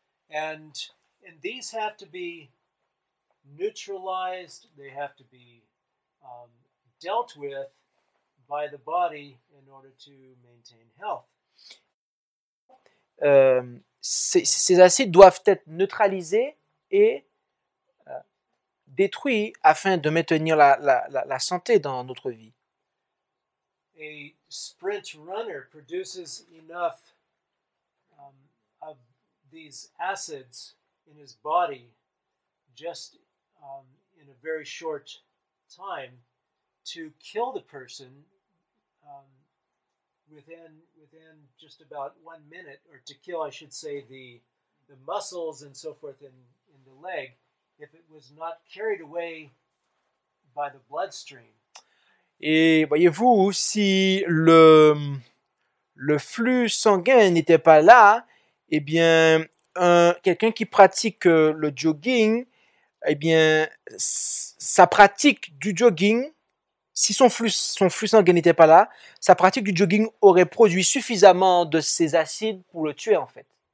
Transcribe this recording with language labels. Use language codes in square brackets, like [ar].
[en] And these have to be neutralized, they have to be dealt with by the body in order to maintain health. [fr] Ces acides doivent être neutralisés et détruit afin de maintenir la santé dans notre vie. [en] A sprint runner produces enough of these acids in his body just in a very short time to kill the person within just about 1 minute, or to kill, I should say, the muscles and so forth in the leg. If it was not carried away by the bloodstream. [fr] Et voyez-vous, si le flux sanguin n'était pas là, eh bien, quelqu'un qui pratique le jogging, eh bien, sa pratique du jogging, si son flux sanguin n'était pas là, sa pratique du jogging aurait produit suffisamment de ces acides pour le tuer, en fait.